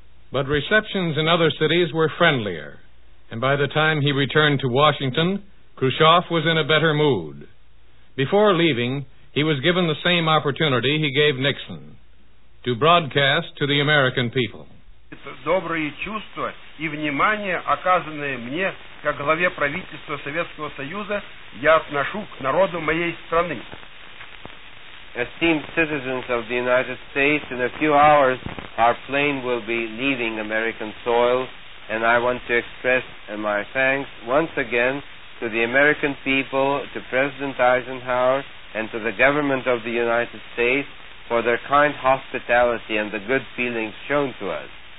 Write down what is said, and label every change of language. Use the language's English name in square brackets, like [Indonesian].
[English] But receptions in other cities were friendlier, and by the time he returned to Washington, Khrushchev was in a better mood. Before leaving, he was given the same opportunity he gave Nixon, to broadcast to the American people. [Russian] Добрые чувства и внимание, оказанное мне как главе правительства Советского Союза, я отношу к народу моей страны. [English] Esteemed citizens of the United States, in a few hours our plane will be leaving American soil, and I want to express my thanks once again to the American people, to President Eisenhower, and to the government of the United States for their kind hospitality and the good feelings shown to us.